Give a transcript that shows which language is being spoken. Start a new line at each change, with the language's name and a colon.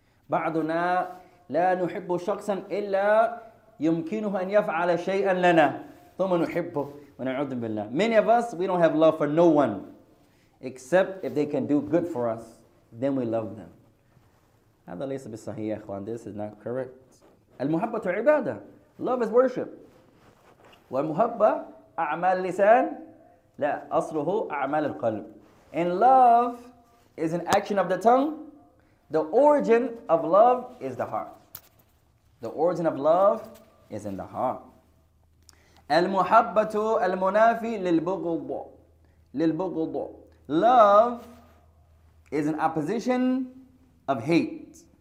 Arabic: بعضنا لا نحب شخصا إلا يمكنه أن يفعل شيئا لنا ثم نحبه ونعوذ بالله.
English: Many of us, we don't have love for no one except if they can do good for us, then we love them.
Arabic: هذا ليس بالصحيح يا إخوان.
English: This is not correct.
Arabic: المحبة عبادة.
English: Love is worship.
Arabic: والمحبة أعمال لسان لا أصله أعمال القلب.
English: And love is an action of the tongue. The origin of love is the heart. The origin of love is in the heart.
Arabic: المحبة المنافي للبغض. للبغض.
English: Love is an opposition of hate.